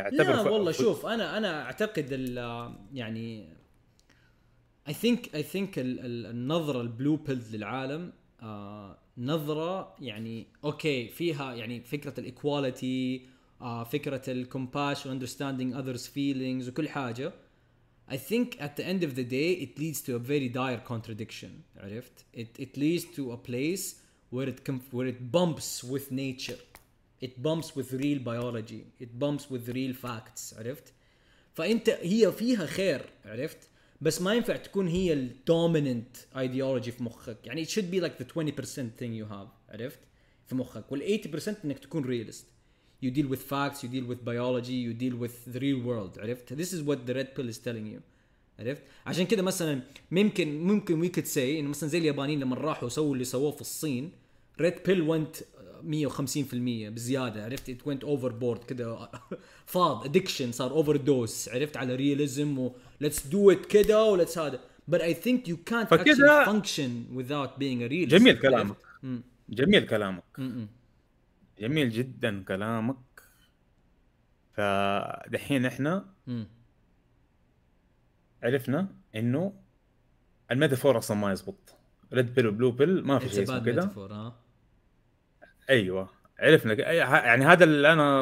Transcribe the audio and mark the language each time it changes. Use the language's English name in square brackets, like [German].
[Arabic] أعتبر لا والله شوف أنا أعتقد يعني [English] I think [Arabic] النظرة البلو بيلز للعالم نظرة يعني أوكي فيها يعني فكرة الإكواليتي فكرة الكمباشن [English] understanding others feelings [Arabic] وكل حاجة. [English] I think at the end of the day, it leads to a very dire contradiction. [Arabic] عرفت? [English] It leads to a place where it bumps with nature. It bumps with real biology. It bumps with real facts. [Arabic] عرفت? فأنت هي فيها خير. عرفت? بس ما ينفع تكون هي ال dominant ideology في مخك. يعني [English] it should be like the 20% thing you have. [Arabic] عرفت? في مخك. وال 80% إنك تكون realist. [English] You deal with facts, you deal with biology, you deal with the real world, [Arabic] عرفت? [English] This is what the red pill is telling you, [Arabic] عرفت? عشان كده مثلا ممكن [English] we could say [Arabic] إنه مثلا زي اليابانيين لما راحوا سووا اللي سووه في الصين [English] red pill went 150% [Arabic] بزيادة, عرفت? [English] It went overboard [Arabic] كده فاض [English] addiction [Arabic] صار [English] overdose, [Arabic] عرفت? [English] على realism و let's do it كده و let's هذا but I think you can't actually function without being a realist. [Arabic] جميل كلامك جميل كلامك جميل جدا كلامك. فدحين احنا عرفنا انه الميتافور اصلا ما يزبط ريد بيل وبلو بيل ما في شيء كده ايوه عرفنا يعني هذا اللي انا